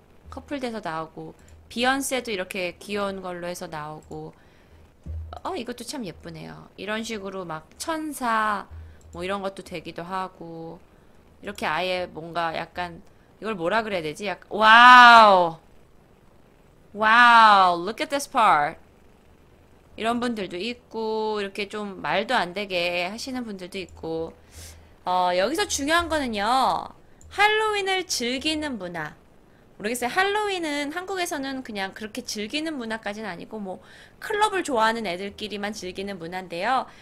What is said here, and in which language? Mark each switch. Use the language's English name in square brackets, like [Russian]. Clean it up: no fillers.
[Korean] 커플 돼서 나오고 비욘세도 이렇게 귀여운 걸로 해서 나오고 이것도 참 예쁘네요. 이런 식으로 막 천사 뭐 이런 것도 되기도 하고 이렇게 아예 뭔가 약간 이걸 뭐라 그래야 되지? 약간 와우. [English] 와우, wow, look at this part. [Korean] 이런 분들도 있고, 이렇게 좀 말도 안 되게 하시는 분들도 있고, 여기서 중요한 거는요, 할로윈을 즐기는 문화. 모르겠어요. 할로윈은 한국에서는 그냥 그렇게 즐기는 문화까지는 아니고, 뭐, 클럽을 좋아하는 애들끼리만 즐기는 문화인데요.